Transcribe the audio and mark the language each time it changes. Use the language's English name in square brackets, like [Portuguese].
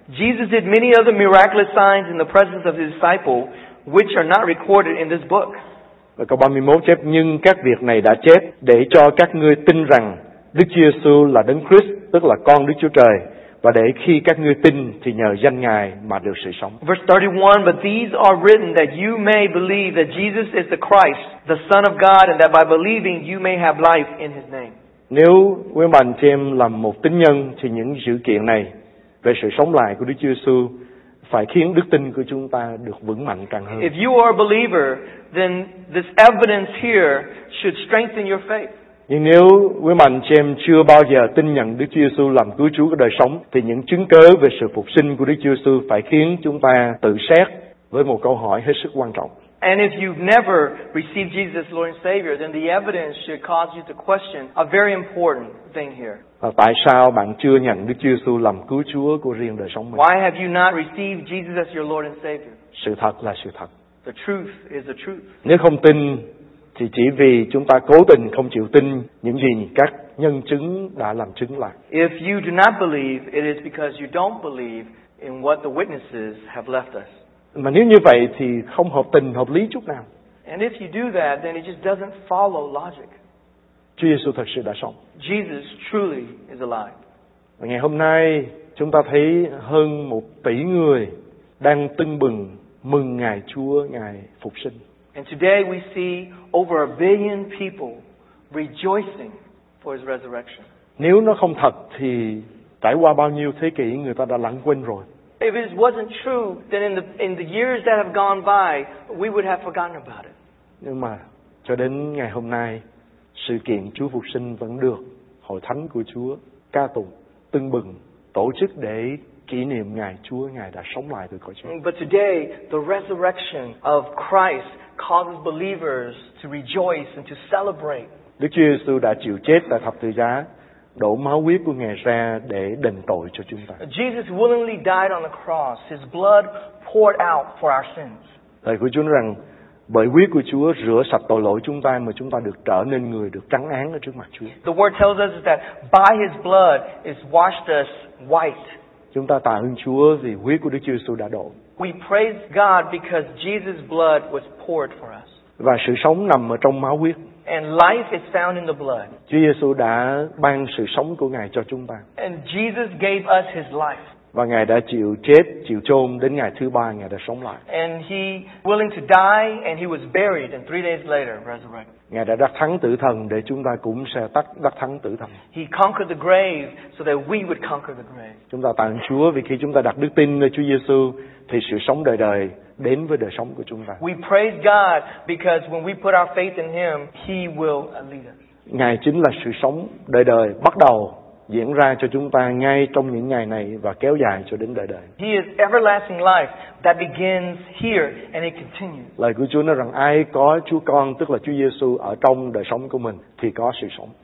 [English] Jesus did many other miraculous signs in the presence of his disciples which are not recorded in this book. [Vietnamese] Và câu 31 chép nhưng các việc này đã chép để cho các ngươi tin rằng Đức Chúa Giêsu là Đấng Christ, tức là con Đức Chúa Trời. Và để khi các ngươi tin thì nhờ danh Ngài mà được sự sống. [English] Verse 31, but these are written that you may believe that Jesus is the Christ, the Son of God, and that by believing you may have life in His name. [Vietnamese] Nếu quý bạn chị em là một tín nhân thì những dữ kiện này về sự sống lại của Đức Chúa Giêsu phải khiến đức tin của chúng ta được vững mạnh càng hơn. [English] If you are a believer, then this evidence here should strengthen your faith. [Vietnamese] Nhưng nếu quý mạnh chị em chưa bao giờ tin nhận Đức Chúa Giêsu làm cứu Chúa của đời sống, thì những chứng cớ về sự phục sinh của Đức Chúa Giêsu phải khiến chúng ta tự xét với một câu hỏi hết sức quan trọng. [English] And if you've never received Jesus as Lord and Savior, then the evidence should cause you to question a very important thing here. [Vietnamese] Và tại sao bạn chưa nhận Đức Chúa Giêsu làm cứu Chúa của riêng đời sống mình? [English] Why have you not received Jesus as your Lord and Savior? [Vietnamese] Sự thật là sự thật. [English] The truth is the truth. [Vietnamese] Nếu không tin thì chỉ vì chúng ta cố tình không chịu tin những gì các nhân chứng đã làm chứng lại. [English] If you do not believe, it is because you don't believe in what the witnesses have left us. [Vietnamese] Mà nếu như vậy thì không hợp tình hợp lý chút nào. [English] And if you do that, then it just doesn't follow logic. [Vietnamese] Chúa Giêsu thật sự đã sống. [English] Jesus truly is alive. [Vietnamese] Và ngày hôm nay chúng ta thấy hơn 1 tỷ người đang tưng bừng mừng ngày Chúa, ngày phục sinh. [English] And today we see over 1 billion people rejoicing for his resurrection. [Vietnamese] Nếu nó không thật thì trải qua bao nhiêu thế kỷ người ta đã lãng quên rồi. [English] If it wasn't true, then in the years that have gone by, we would have forgotten about it. [Vietnamese] Nhưng mà cho đến ngày hôm nay, sự kiện Chúa phục sinh vẫn được Hội Thánh của Chúa ca tụng, tưng bừng, tổ chức để kỷ niệm ngày Chúa, ngày đã sống lại từ cõi chết. [English] But today, the resurrection of Christ causes believers to rejoice and to celebrate. [Vietnamese] Đức Chúa Giêsu đã chịu chết tại thập tự giá, đổ máu huyết của Ngài ra để đền tội cho chúng ta. [English] Jesus willingly died on the cross. His blood poured out for our sins. [Vietnamese] Lời của Chúa rằng bởi huyết của Chúa rửa sạch tội lỗi chúng ta mà chúng ta được trở nên người được trắng án ở trước mặt Chúa. [English] The word tells us that by his blood is washed us white. [Vietnamese] Chúng ta tạ ơn Chúa vì huyết của Đức Chúa Giêsu đã đổ. [English] We praise God because Jesus' blood was poured for us. [Vietnamese] Và sự sống nằm ở trong máu huyết. [English] And life is found in the blood. [Vietnamese] Chúa Giêsu đã ban sự sống của Ngài cho chúng ta. [English] And Jesus gave us his life. [Vietnamese] Và Ngài đã chịu chết, chịu chôn đến ngày thứ ba Ngài đã sống lại. [English] And he willing to die and he was buried and 3 days later resurrected. [Vietnamese] Ngài đã đắc thắng tử thần để chúng ta cũng sẽ đắc thắng tử thần. [English] He conquered the grave so that we would conquer the grave. [Vietnamese] Chúng ta tạ ơn Chúa vì khi chúng ta đặt đức tin nơi Chúa Giêsu thì sự sống đời đời đến với đời sống của chúng ta. [English] We praise God because when we put our faith in him, he will lead us. [Vietnamese] Ngài chính là sự sống đời đời bắt đầu diễn ra cho chúng ta ngay trong những ngày này và kéo dài cho đến đời đời. [English] He is everlasting life that begins here and it continues. [Vietnamese] Lời của Chúa nói rằng ai có Chúa Con, tức là Chúa Giêsu ở trong đời sống của mình thì có sự sống.